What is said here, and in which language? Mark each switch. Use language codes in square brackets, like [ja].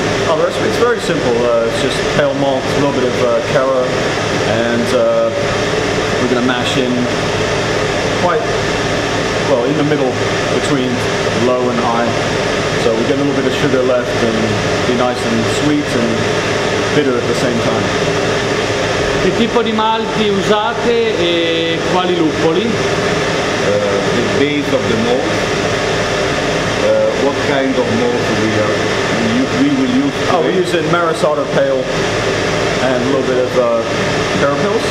[en] Oh, the recipe is very simple. It's just pale malt, a little bit of cara, and we're going to mash in quite well in the middle between low and high. So we get a little bit of sugar left and be nice and sweet and bitter at the same time. [it] Che tipo di malti usate e quali lupoli? [en] The base of the malt. What kind of malt we will use? Oh, we're using Maris Otter Pale and a little bit of Carapils?